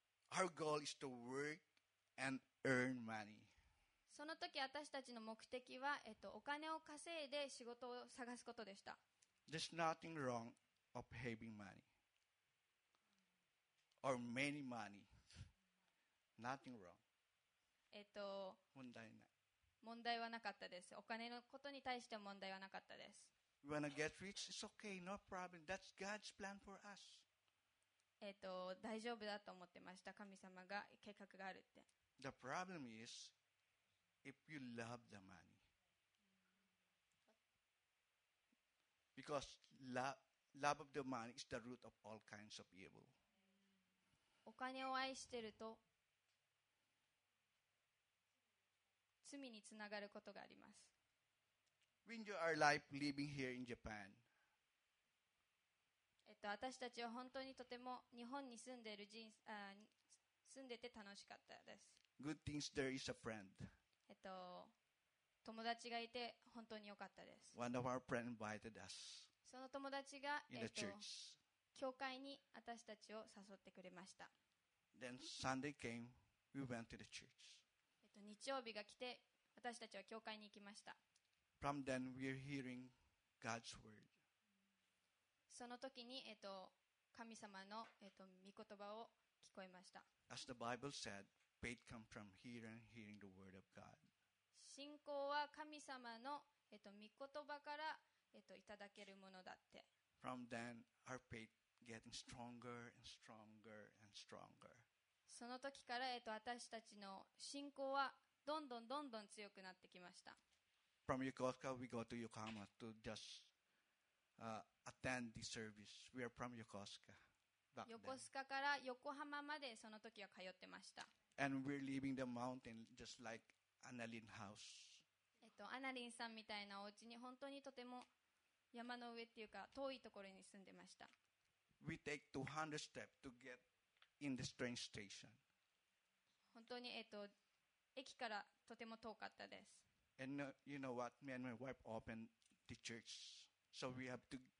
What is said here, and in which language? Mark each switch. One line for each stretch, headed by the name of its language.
English: Our goal is to work and earn money.
Japanese: その時私たちの目的は、お金を稼いで仕事を探すことでした。
English: There's nothing wrong. Of having money or many money, nothing wrong.
Japanese: 問題ない。問題はなかったです。お金のことに対しては問題はなかったです。
English: We wanna get rich, it's okay, no problem. That's God's plan for us.
Japanese: 大丈夫だと思ってました。神様が計画があるって。
English: The problem is if you love the money, because love of the money is the root of all kinds of evil.
Japanese: お金を愛してると罪につながることがあります。
English: When you are life living here in Japan,
Japanese: 私たちは本当にとても日本に住んでいる人住んでて楽しかったです。
English: Good things there is a friend.
Japanese: 友達がいて本当に良かったです。
English: One of our friend invited us.
Japanese: その友達が、教会に私たちを誘ってくれました。
English: Then Sunday came, we went to the church.
Japanese: 日曜日が来て私たちは教会に行きました。
English: From then we are hearing God's word.
Japanese: その時に、神様の、御言葉を聞こえました。
English: As the Bible said, faith comes from hearing, hearing the word of God.
Japanese: 信仰は神様の、御言葉からいただけるものだって。
English: From then, our faith getting stronger and stronger and stronger.
Japanese: その時から私たちの信仰はどんどんどんどん強くなってきました。
English: From Yokosuka, we go to Yokohama to just attend the service. We are from Yokosuka.
Japanese: 横須賀から横浜までその時は通ってました。
English: And we're leaving the mountain just like Annalyn's house.
Japanese: アナリンさんみたいなお家に本当にとても山の上っていうか遠いところに住んでました。
English: We take 200 steps to get in the train station.
Japanese: 本当に駅からとても遠かったです。
English: And you know what? Me and my wife opened the church. So we have to